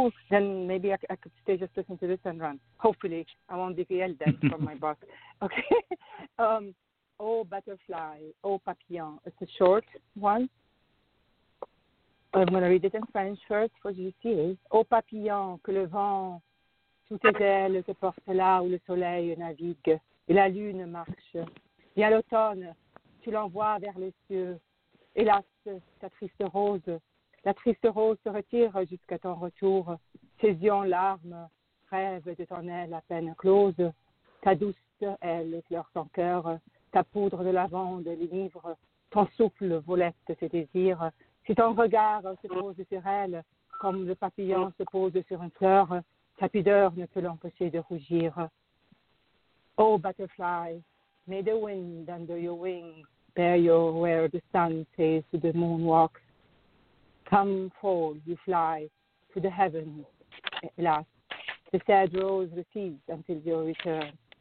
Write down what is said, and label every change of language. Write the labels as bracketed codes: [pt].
[en] Then maybe I could stay just listening to this and run. Hopefully, I won't be yelled at from my boss. Okay. Oh, butterfly, oh, papillon. It's a short one. I'm going to read it in French first for JCA. [fr] Oh, papillon, que le vent... Tout tes ailes te portent là où le soleil navigue et la lune marche. Viens l'automne, tu l'envoies vers les cieux. Hélas, ta triste rose, la triste rose se retire jusqu'à ton retour. Ses yeux en larmes, rêve de ton aile à peine close. Ta douce aile pleure ton cœur, ta poudre de lavande l'enivre. Ton souffle volette ses désirs. Si ton regard se pose sur elle, comme le papillon se pose sur une fleur, ta pudeur ne peut l'empêcher de rougir. [en] Oh, butterfly, may the wind under your wing bear you where the sun says the moon walks. Come, fall, you fly to the heavens. Alas, the sad rose recedes until your return.